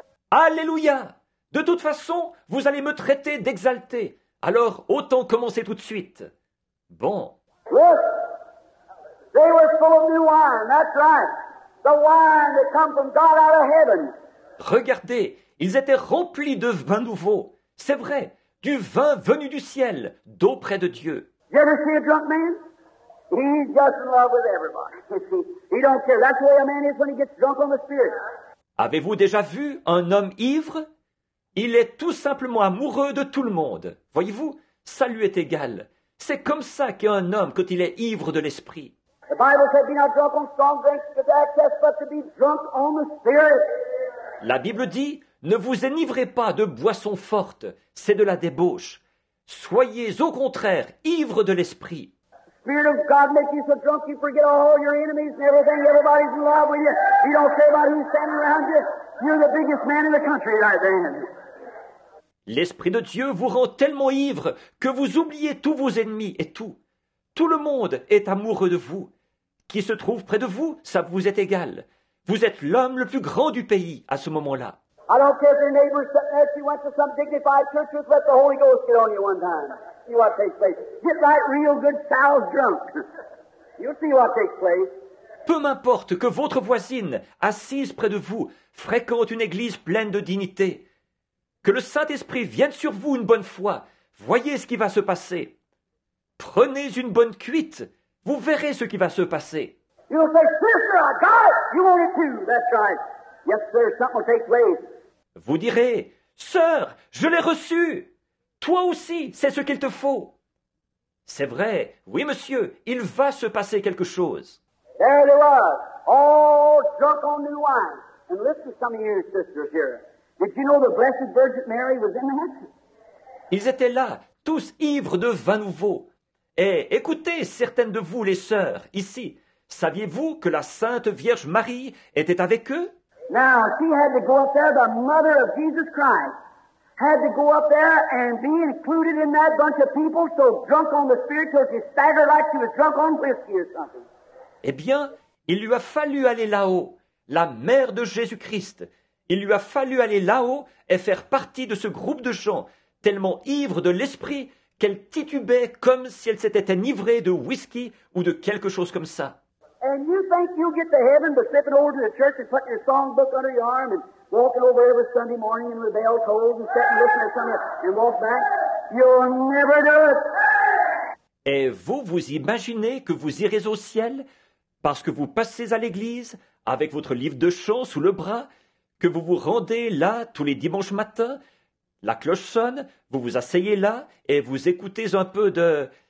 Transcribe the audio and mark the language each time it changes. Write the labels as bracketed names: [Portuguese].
[French] Alléluia! De toute façon, vous allez me traiter d'exalté. Alors, autant commencer tout de suite. Bon. [English] Look, they were full of new wine, that's right. The wine that comes from God out of heaven. [French] Regardez, ils étaient remplis de vin nouveau. C'est vrai, du vin venu du ciel, d'auprès de Dieu. [English] You ever see a drunk man? He's just in love with everybody. He don't care. That's the way a man is when he gets drunk on the Spirit. [French] Avez-vous déjà vu un homme ivre? Il est tout simplement amoureux de tout le monde. Voyez-vous, ça lui est égal. C'est comme ça qu'est un homme quand il est ivre de l'esprit. [English] The Bible said, be not drunk on strong drink, but access, but to be drunk on the Spirit. [French] La Bible dit, ne vous enivrez pas de boissons fortes, c'est de la débauche. Soyez au contraire ivre de l'esprit. [English] Spirit of God makes you so drunk you forget all your enemies and everything. Everybody's in love with you. You don't care about who's standing around you. You're the biggest man in the country right then. [French] L'Esprit de Dieu vous rend tellement ivre que vous oubliez tous vos ennemis et tout. Tout le monde est amoureux de vous. Qui se trouve près de vous, ça vous est égal. Vous êtes l'homme le plus grand du pays à ce moment-là. [English] I don't care if your neighbor sitting there, if you went to some dignified church, just let the Holy Ghost get on you one time. See what takes place. Get right real good sal drunk. You'll see what takes place. [French] Peu m'importe que votre voisine, assise près de vous, fréquente une église pleine de dignité. Que le Saint-Esprit vienne sur vous une bonne fois. Voyez ce qui va se passer. Prenez une bonne cuite. Vous verrez ce qui va se passer. [English] You'll say, sister, I got it. You want it too. That's right. Yes, sir, something will take place. [French] Vous direz, sœur, je l'ai reçu. Toi aussi, c'est ce qu'il te faut. C'est vrai. Oui, monsieur, il va se passer quelque chose. [English] There they were, all drunk on new wine. And listen to some of your sisters here. Did you know the Blessed Virgin Mary was in the house? [French] Ils étaient là, tous ivres de vin nouveau. Et écoutez, certaines de vous, les sœurs, ici, saviez-vous que la Sainte Vierge Marie était avec eux? [English] Now, she had to go up there, the mother of Jesus Christ, had to go up there and be included in that bunch of people so drunk on the Spirit till she staggered like she was drunk on whiskey or something. [French] Eh bien, il lui a fallu aller là-haut, la mère de Jésus-Christ. Il lui a fallu aller là-haut et faire partie de ce groupe de gens tellement ivres de l'esprit qu'elle titubait comme si elle s'était enivrée de whisky ou de quelque chose comme ça. [English] And you think you'll get to heaven by slipping over to the church and putting your songbook under your arm and walking over every Sunday morning in the bell tolls and sitting listening to something and walk back? You'll never do it. [French] Et vous, vous imaginez que vous irez au ciel parce que vous passez à l'église avec votre livre de chant sous le bras, que vous vous rendez là tous les dimanches matins, la cloche sonne, vous vous asseyez là et vous écoutez un peu de...